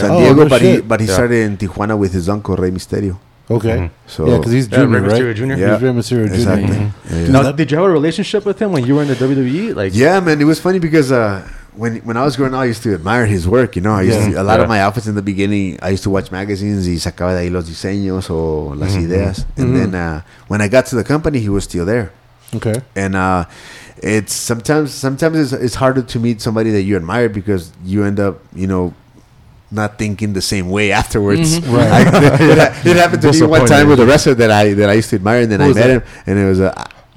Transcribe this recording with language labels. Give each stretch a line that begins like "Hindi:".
English: San Diego, oh, but he started in Tijuana with his uncle, Rey Mysterio. Okay. Mm-hmm. So, yeah, because he's Junior, Rey Mysterio Junior. Yeah. He's Rey Mysterio Junior. Exactly. Mm-hmm. Yeah. Now, did you have a relationship with him when you were in the WWE? Like, yeah, man. It was funny because when I was growing up, I used to admire his work. You know, I used to, a lot of my outfits in the beginning, I used to watch magazines. He
Spanish: sacaba de ahí los diseños o las mm-hmm.
English: ideas. And mm-hmm. then when I got to the company, he was still there. Okay. And it's sometimes it's harder to meet somebody that you admire because you end up, you know, not thinking the same way afterwards. Mm-hmm. Right. it happened to me one time with a wrestler that I used to admire, and then I met him, and it was a...